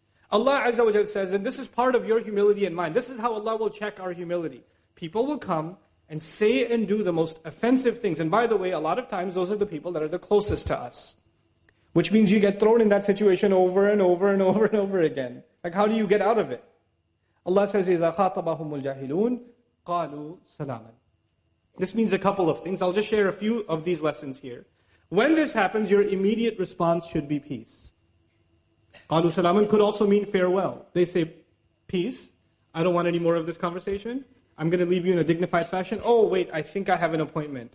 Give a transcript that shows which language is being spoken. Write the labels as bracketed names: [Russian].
[English] Allah Azza wa Jalla says, and this is part of your humility and mine. This is how Allah will check our humility. People will come and say and do the most offensive things. And by the way, a lot of times those are the people that are the closest to us. Which means you get thrown in that situation over and over and over and over again. Like, how do you get out of it? Allah says, [Arabic] إِذَا خَاطَبَهُمُ الْجَاهِلُونَ قَالُوا سَلَامًا. [English] This means a couple of things. I'll just share a few of these lessons here. When this happens, your immediate response should be peace. [Arabic] قَالُوا سَلَامًا [English] could also mean farewell. They say, peace, I don't want any more of this conversation. I'm going to leave you in a dignified fashion. Oh, wait, I think I have an appointment.